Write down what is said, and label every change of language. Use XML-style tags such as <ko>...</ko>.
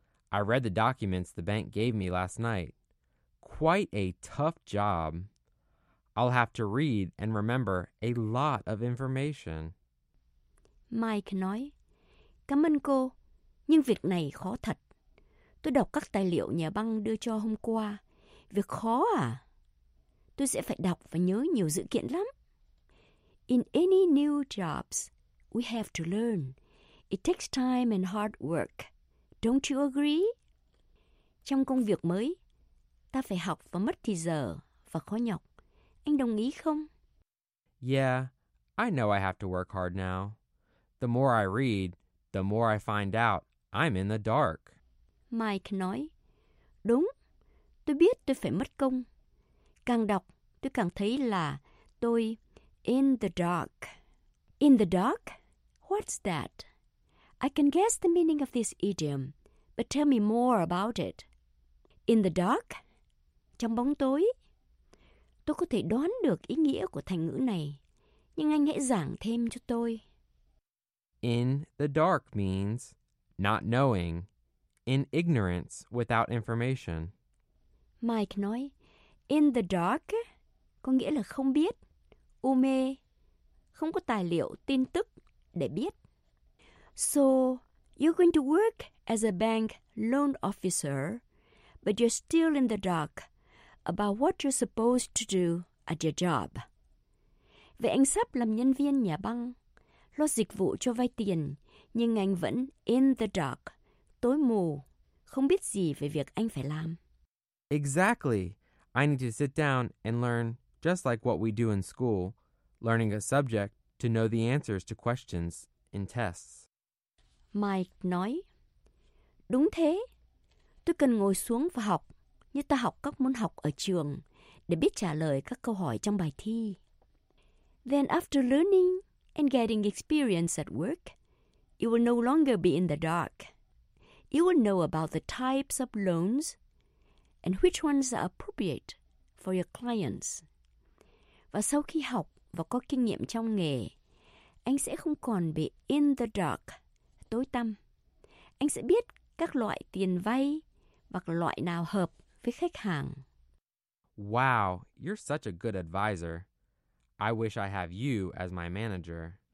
<en>I read the documents the bank gave me last night. Quite a tough job. I'll have to read and remember a lot of information.</en> <vi>Mike nói, cảm ơn cô, nhưng việc này khó thật. Tôi đọc các tài liệu nhà băng đưa cho hôm qua. Việc khó à? Tôi sẽ phải đọc và nhớ nhiều dữ kiện lắm.</vi> <en>In any new jobs, we have to learn. It takes time and hard work. Don't you agree?</en> <vi>Trong công việc mới, ta phải học và mất thì giờ và khó nhọc. Anh đồng ý không?</vi> <en>Yeah, I know I have to work hard now. The more I read, the more I find out I'm in the dark.</en> <vi>Mike nói, đúng, tôi biết tôi phải mất công. Càng đọc, tôi càng thấy là tôi in the dark.</vi> <en>In the dark? What's that? I can guess the meaning of this idiom, but tell me more about it. In the dark?</en> <vi>Trong bóng tối, tôi có thể đoán được ý nghĩa của thành ngữ này, nhưng anh hãy giảng thêm cho tôi.</vi> <en>In the dark means not knowing, in ignorance without information.</en> <vi>Mike nói, in the dark có nghĩa là không biết, u mê, không có tài liệu, tin tức để biết.</vi> <en>So, you're going to work as a bank loan officer, but you're still in the dark about what you're supposed to do at your job.</en> <vi>Vậy anh sắp làm nhân viên nhà băng, lo dịch vụ cho vay tiền, nhưng anh vẫn in the dark, tối mù, không biết gì về việc anh phải làm.</vi> <en>Exactly. I need to sit down and learn, just like what we do in school, learning a subject to know the answers to questions in tests.</en> <vi>Mike nói, đúng thế. Tôi cần ngồi xuống và học, như ta học các môn học ở trường, để biết trả lời các câu hỏi trong bài thi.</vi> <en>Then after learning and getting experience at work, you will no longer be in the dark. You will know about the types of loans and which ones are appropriate for your clients.</en> <vi>Và sau khi học và có kinh nghiệm trong nghề, anh sẽ không còn bị in the dark, tối tăm. Anh sẽ biết các loại tiền vay và loại nào hợp với khách hàng.</vi> <en>Wow, you're such a good advisor. I wish I have you as my manager.</en>